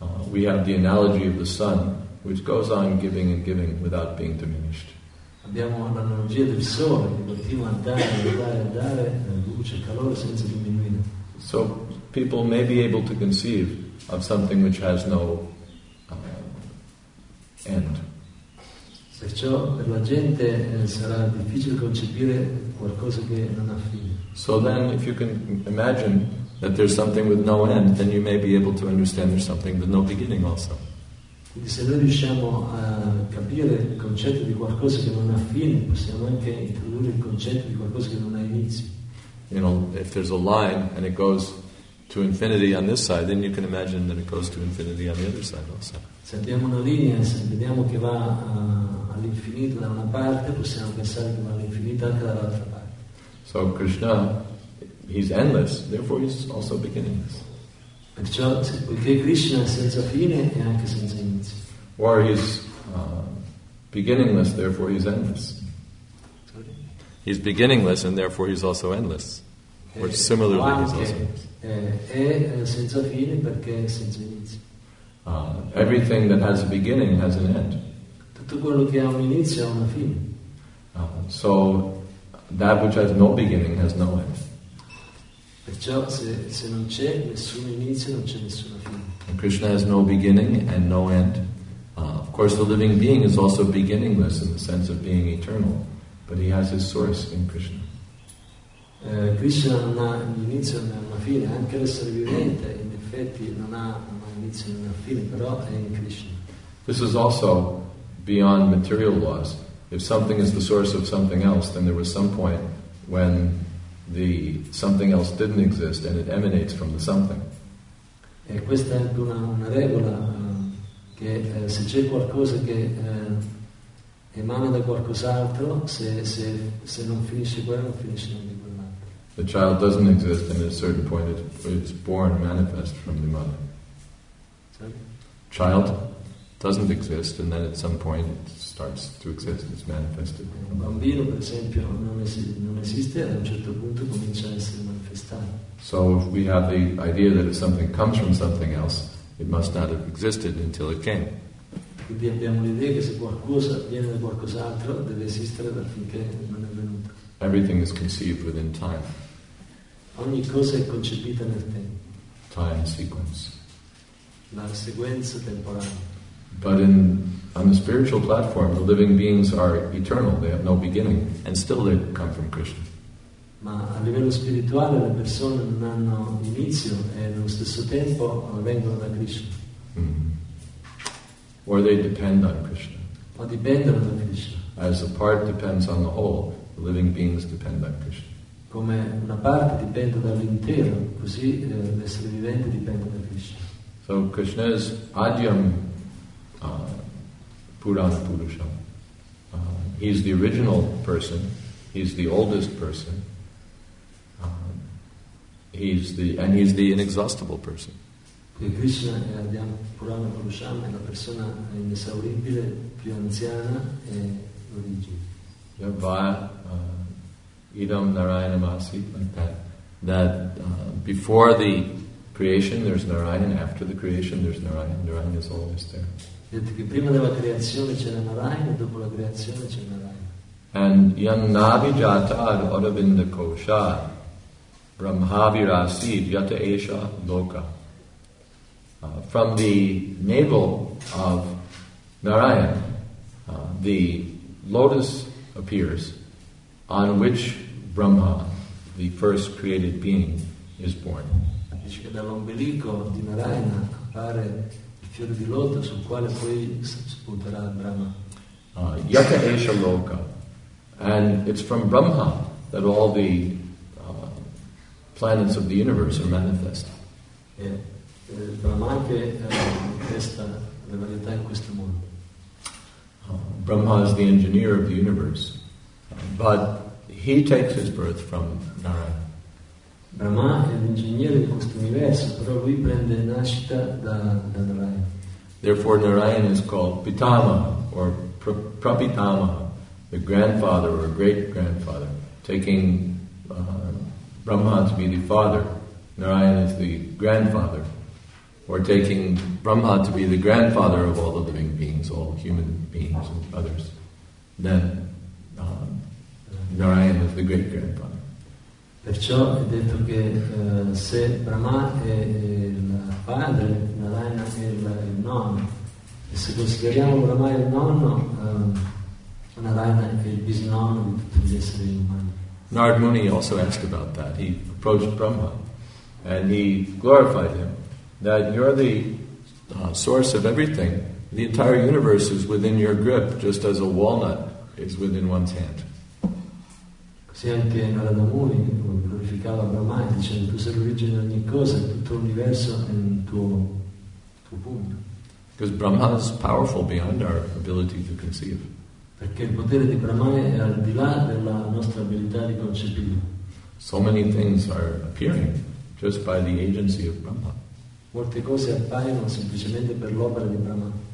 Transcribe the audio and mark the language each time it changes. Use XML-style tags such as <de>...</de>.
<en>We have the analogy of the sun, which goes on giving and giving without being diminished.</en> <it>Abbiamo l'analogia del sole che continua a dare luce, calore senza diminuire.</it> <en>So people may be able to conceive of something which has no end.</en> <it>Perciò per la gente sarà difficile concepire qualcosa che non ha fine.</it> <en>So then if you can imagine that there's something with no end, then you may be able to understand there's something with no beginning also.</en> <it>Quindi se noi riusciamo a capire il concetto di qualcosa che non ha fine, possiamo anche introdurre il concetto di qualcosa che non ha inizio.</it> <en>You know, if there's a line and it goes to infinity on this side, then you can imagine that it goes to infinity on the other side also.</en> <it>Se abbiamo una linea, se vediamo che va all'infinito da una parte, possiamo pensare che va all'infinito anche dall'altra parte.</it> <en>So Krishna, he's endless, therefore he's also beginningless.</en> <it>Perciò, poiché Krishna è senza fine, è anche senza inizio.</it> <en>Or he's beginningless, therefore he's endless. He's beginningless and therefore he's also endless. Or similarly,</en> <it>anche,</it> <en>he's also</en> <it>senza fine perché senza inizio.</it> <en>Everything that has a beginning has an end.</en> <it>Tutto quello che ha un inizio ha una fine.</it> <en>So that which has no beginning has no end.</en> <it>Perciò se non c'è nessun inizio, non c'è nessuna fine.</it> <en>And Krishna has no beginning and no end. Of course, the living being is also beginningless in the sense of being eternal. But he has his source in Krishna.</en> <it>Krishna non ha inizio né una fine. Anche l'essere vivente, in effetti, non ha mai inizio né una fine. Però è in Krishna.</it> <en>This is also beyond material laws. If something is the source of something else, then there was some point when the something else didn't exist and it emanates from the something.</en> <it>E questa è una regola che se c'è qualcosa che emana da qualcos'altro, se non finisce quello, non finisce niente.</it> <en>The child doesn't exist, and at a certain point it's born manifest from the mother. Sorry? Child doesn't exist, and then at some point it starts to exist, it's manifested.</en> <it>Un bambino, per esempio, non esiste, e a un certo punto comincia a essere manifestato.</it> <en>So if we have the idea that if something comes from something else, it must not have existed until it came.</en> <it>Quindi abbiamo l'idea che se qualcosa viene da qualcos'altro, deve esistere dal finché non è venuto.</it> <en>Everything is conceived within time.</en> <it>Ogni cosa è concepita nel tempo.</it> <en>Time sequence.</en> <it>La sequenza temporale.</it> <en>But on the spiritual platform, the living beings are eternal. They have no beginning, and still they come from Krishna.</en> <it>Ma a livello spirituale le persone non hanno inizio e nello stesso tempo vengono da Krishna.</it> <en>Mm-hmm. Or they depend on Krishna.</en> <it>Ma dipendono da Krishna.</it> <en>As a part depends on the whole. Living beings depend on Krishna.</en> <it>Come una parte dipende dall'intero, così l'essere vivente dipende da Krishna.</it> <en>So Krishna is Adyam Purana Purusha. He is the original person. He is the oldest person. He's the inexhaustible person.</en> <it>Krishna è Adyam Purana Purusha, è la persona inesauribile, più anziana e origine.</it> <sa>Idam Narayanam Asit,</sa> <en>like that. That before the creation there's Narayan, after the creation there's Narayan. Narayan is always there.</en> <sa>And Yannavi Jata Aravinda Kosha Brahmavirasid Yata Esha Loka.</sa> <en>From the navel of Narayan, the lotus appears on which Brahma, the first created being, is born.</en> <it>Dice che dall'ombelico di Narayana appare il fiore di loto sul quale poi spunterà Brahma.</it> <sa>Yata esha loka.</sa> <en>And it's from Brahma that all the planets of the universe are manifest.</en> <it>Brahma che manifesta le varietà in questo mondo.</it> <en>Brahma is the engineer of the universe. But he takes his birth from Narayana.</en> <it>Brahma è l'ingegnere di questo universo, però lui prende nascita da Narayana.</it> <en>Therefore, Narayana is called Pitama or Prapitama, the grandfather or great grandfather, taking Brahma to be the father. Narayana is the grandfather, or taking Brahma to be the grandfather of all the living beings, all human beings and others. Then. Narayan is the great grandfather.</en> <it>Perciò è detto che se Brahma è il padre, Narayana è il nonno. E se consideriamo Brahma il nonno, Narayana è il bisnonno di tutti gli esseri umani.</it> <en>Narad Muni also asked about that. He approached Brahma and he glorified him. That you're the source of everything. The entire universe is within your grip, just as a walnut is within one's hand.</en> <it>Se anche Narada Muni glorificava Brahma dicendo tu sei l'origine di ogni cosa, tutto l'universo è in tuo pugno.</it> <en>Because Brahma is powerful beyond our ability to conceive.</en> <it>Perché il potere di Brahma è al di là della nostra abilità di concepire.</it> <en>So many things are appearing just by the agency of Brahma.</en> <it>Molte cose appaiono semplicemente per l'opera di Brahma.</it>